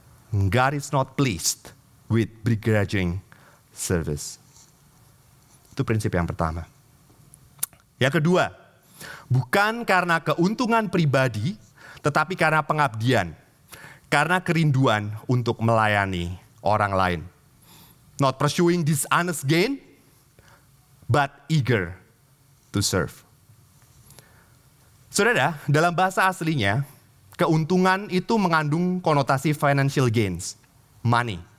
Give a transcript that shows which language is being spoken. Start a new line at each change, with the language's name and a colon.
English: God is not pleased with begrudging service.
Indonesian: Itu prinsip yang pertama. Yang kedua, bukan karena keuntungan pribadi, tetapi karena pengabdian. Karena kerinduan untuk melayani orang lain.
English: Not pursuing dishonest gain, but eager to serve.
Indonesian: Saudara, dalam bahasa aslinya, keuntungan itu mengandung konotasi
English: financial gains, money.